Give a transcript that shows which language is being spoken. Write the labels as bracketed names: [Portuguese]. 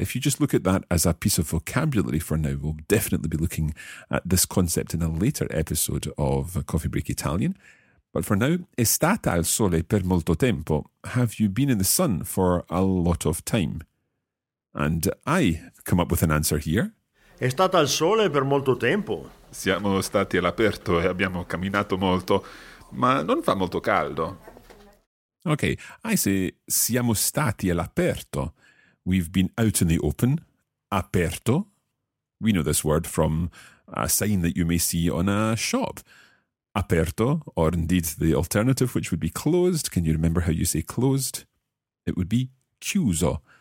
[English] If you just look at that as a piece of vocabulary for now, we'll definitely be looking at this concept in a later episode of Coffee Break Italian. But for now, [Italian] è stata al sole per molto tempo. [English] Have you been in the sun for a lot of time? And I come up with an answer here. [Italian] È stata al sole per molto tempo. Siamo stati all'aperto e abbiamo camminato molto, ma non fa molto caldo. [English] Okay, I say [Italian] siamo stati all'aperto. [English] We've been out in the open, aperto. We know this word from a sign that you may see on a shop. aperto, or indeed the alternative, which would be closed. Can you remember how you say closed? It would be chiuso.